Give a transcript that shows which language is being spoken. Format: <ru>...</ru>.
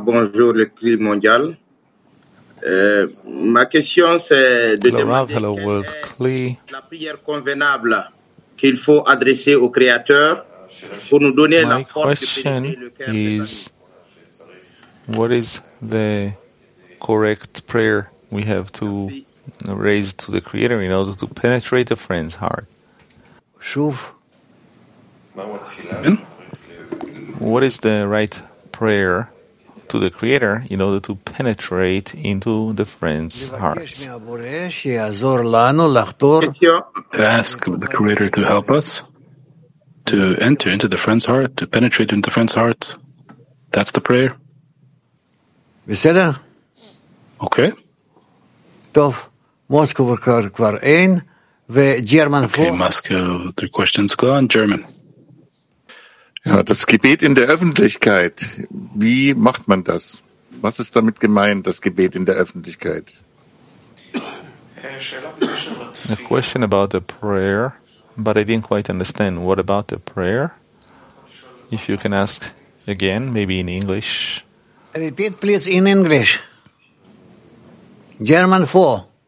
<fr>Bonjour, l'équipe mondiale. Ma question c'est de demander la prière convenable qu'il faut adresser au Créateur pour nous donner la force de pénétrer le cœur.</fr> <en>What is the correct prayer we have to raise to the Creator in order to penetrate a friend's heart?</en> <he>Shuv.</he> <en>What is the right prayer to the Creator in order to penetrate into the friend's hearts? Ask the Creator to help us to enter into the friend's heart, to penetrate into the friend's heart. That's the prayer. Okay.</en> <he>Tov, Moscow kvar ein ve German for.</he> <en>Okay, Moscow, the question's gone. German.</en> <de>Ja, das Gebet in der Öffentlichkeit. Wie macht man das? Was ist damit gemeint, das Gebet in der Öffentlichkeit?</de> <en>A question about the prayer, but I didn't quite understand. What about the prayer? If you can ask again, maybe in English. Repeat, please, in English. German 4.</en>